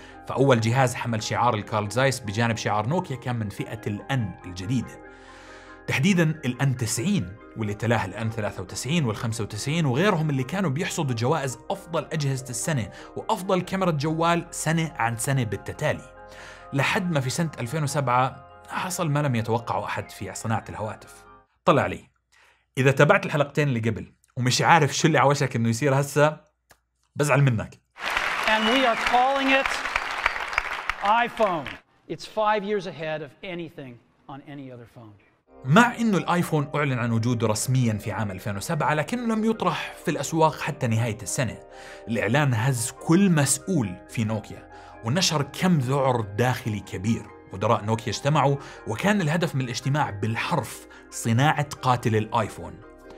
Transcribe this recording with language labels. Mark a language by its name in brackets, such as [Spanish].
[Arabic] فأول جهاز حمل شعار الكارل زايس بجانب شعار نوكيا كان من فئة الأن الجديدة، تحديداً الأن 90 واللي تلاه الأن 93 وال 95 وغيرهم اللي كانوا بيحصدوا جوائز أفضل أجهزة السنة وأفضل كاميرا جوال سنة عن سنة بالتتالي، لحد ما في سنة 2007 حصل ما لم يتوقع أحد في صناعة الهواتف. طلع لي إذا تابعت الحلقتين اللي قبل ومش عارف شو اللي عوشك إنه يصير هسا، بزعل منك. [English] And we are calling it iPhone. It's 5 years ahead of anything on any other phone. [Arabic] مع إنه الآيفون أعلن عن وجوده رسمياً في عام 2007، لكنه لم يطرح في الأسواق حتى نهاية السنة. الإعلان هز كل مسؤول في نوكيا ونشر كم ذعر داخلي كبير. مدراء نوكيا اجتمعوا وكان الهدف من الاجتماع بالحرف صناعة قاتل الآيفون.